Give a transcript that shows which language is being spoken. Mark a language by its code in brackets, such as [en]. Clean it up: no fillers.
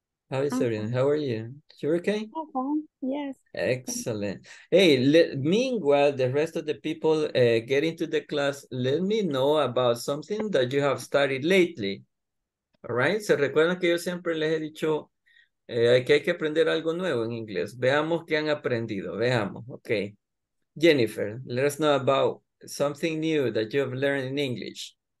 [en] How is everyone? How are you? You're okay? Yes. Excellent. Hey, meanwhile, the rest of the people get into the class. Let me know about something that you have studied lately. All right? [es] ¿Se recuerdan que yo siempre les he dicho que hay que aprender algo nuevo en inglés? Veamos qué han aprendido. Veamos. Okay. [en] Jennifer, let us know about something new that you have learned in English.